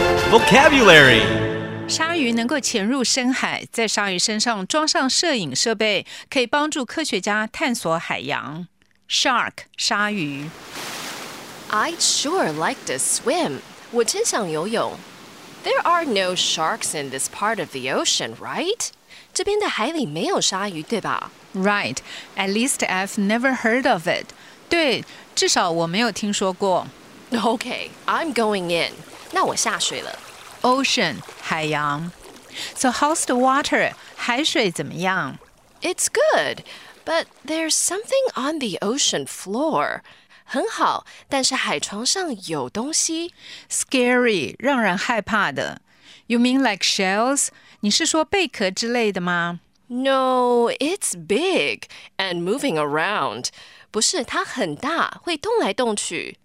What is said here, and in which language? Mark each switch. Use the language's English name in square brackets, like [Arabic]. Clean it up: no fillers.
[English] Vocabulary. [Chinese] 鲨鱼能够潜入深海，在鲨鱼身上装上摄影设备，可以帮助科学家探索海洋。 [English] Shark, 鲨鱼。 I'd sure like to swim. [Chinese] 我真想游泳。 [English] There are no sharks in this part of the ocean, right? [Chinese] 这边的海里没有鲨鱼，对吧？ [English] Right. At least I've never heard of it. [Chinese] 对，至少我没有听说过。 [English] Okay, I'm going in. [Chinese] 那我下水了。 [English] Ocean, 海洋。So how's the water? [Chinese] 海水怎么样？ [English] It's good, but there's something on the ocean floor. [Chinese] 很好，但是海床上有东西。 [English] Scary, 让人害怕的。You mean like shells? [Chinese] 你是说贝壳之类的吗？ [English] No, it's big and moving around. [Chinese] 不是，它很大，会动来动去。